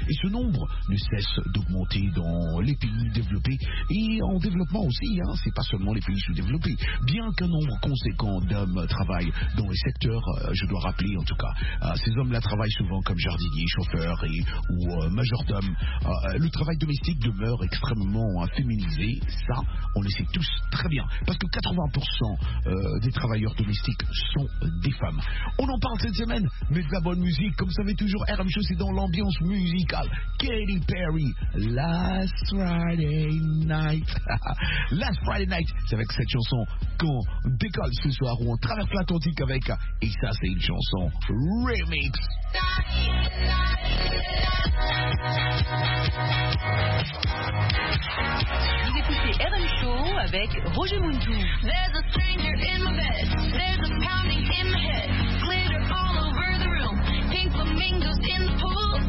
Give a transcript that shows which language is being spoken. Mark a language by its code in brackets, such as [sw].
[fr] Et ce nombre ne cesse d'augmenter dans les pays développés et en développement aussi, hein, c'est pas seulement les pays sous-développés, bien qu'un nombre conséquent d'hommes travaillent dans les secteurs, je dois rappeler en tout cas, ces hommes-là travaillent souvent comme jardiniers, chauffeurs et, ou majordomes. Le travail domestique demeure extrêmement féminisé, ça on le sait tous très bien, parce que 80% des travailleurs domestiques sont des femmes. On en parle cette semaine, mais de la bonne musique, comme vous savez toujours, RM Show c'est dans l'ambiance musicale. Katy Perry, Last Friday Night. Last Friday Night, c'est avec cette chanson qu'on décolle ce soir, où on traverse l'Atlantique avec. Et ça, c'est une chanson remix. Vous écoutez RM Show avec Roger Muntu. [en] There's a stranger in my bed. There's a pounding in my head. Glitter all over the room. Pink flamingos in the pool.